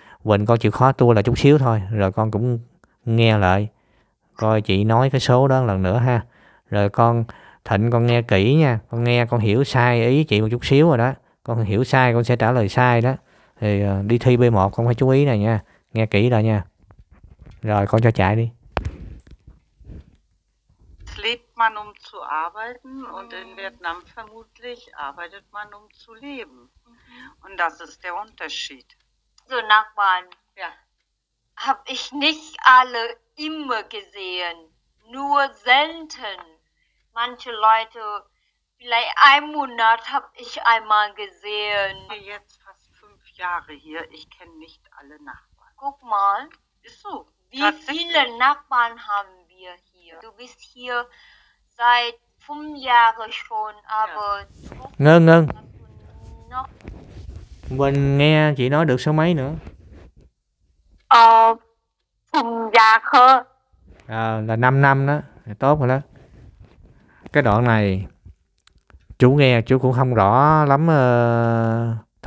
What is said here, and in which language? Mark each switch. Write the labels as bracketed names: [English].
[Vietnamese] Quỳnh con chịu khó tua lại chút xíu thôi rồi con cũng nghe lại coi chị nói cái số đó lần nữa ha. Rồi con Thịnh con nghe kỹ nha, con nghe con hiểu sai ý chị một chút xíu rồi đó, con hiểu sai con sẽ trả lời sai đó, thì đi thi B1 con phải chú ý này nha, nghe kỹ rồi nha. Rồi con cho chạy [German] Lebt man um zu arbeiten und in Vietnam vermutlich arbeitet man um zu leben. Und das ist der Unterschied. So, Nachbarn, ja. habe ich nicht alle immer gesehen, nur selten. Manche Leute, vielleicht einen Monat habe ich einmal gesehen. Ich bin jetzt fast 5 Jahre hier, ich kenne nicht alle Nachbarn. Guck mal, ist so, wie viele tatsächlich. Nachbarn haben wir hier? Du bist hier seit 5 Jahren schon, Ja. aber trotzdem [Vietnamese] Ngưng ngưng. [German] hast du noch. [Vietnamese] Mình nghe chị nói được số mấy nữa? 5 giờ hơn. Là 5 năm đó, tốt rồi đó. Cái đoạn này chú nghe chú cũng không rõ lắm thật